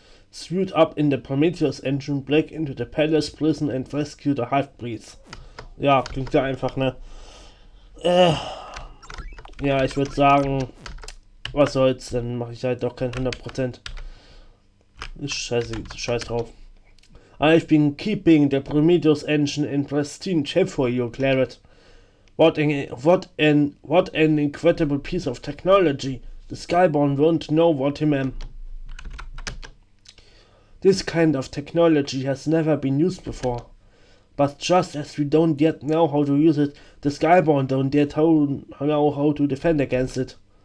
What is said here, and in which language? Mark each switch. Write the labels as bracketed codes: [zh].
[en] Suit up in the Prometheus Engine, Black into the Palace Prison and rescue the Half-Breeds. [de] Ja, klingt ja einfach, ne? Ja, ich würde sagen, was soll's, dann mache ich halt doch kein 100%. Scheiß drauf. [en] I've been keeping the Prometheus Engine in pristine shape for you, Claret. What an incredible piece of technology. The Skyborn won't know what he meant. This kind of technology has never been used before. But just as we don't yet know how to use it, the Skyborn don't yet know how to defend against it.